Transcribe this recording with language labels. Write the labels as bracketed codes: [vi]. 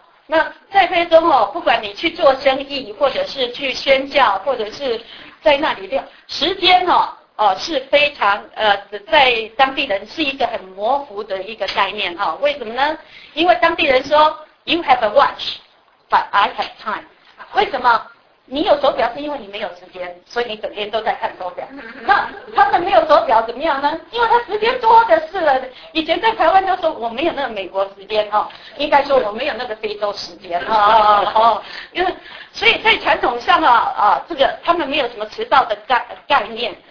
[zh] 那在非洲哦，不管你去做生意，或者是去宣教，或者是在那里练，时间哦，是非常在当地人是一个很模糊的一个概念哈、哦。为什么呢？因为当地人说 [en] ，You have a watch, but I have time。 [zh] 为什么？你有手表是因为你没有时间，所以你整天都在看手表。那他们没有手表怎么样呢？因为他时间多的是了。以前在台湾都说我没有那个美国时间哈、哦，应该说我没有那个非洲时间哈、哦。所以在传统上这个他们没有什么迟到的概念。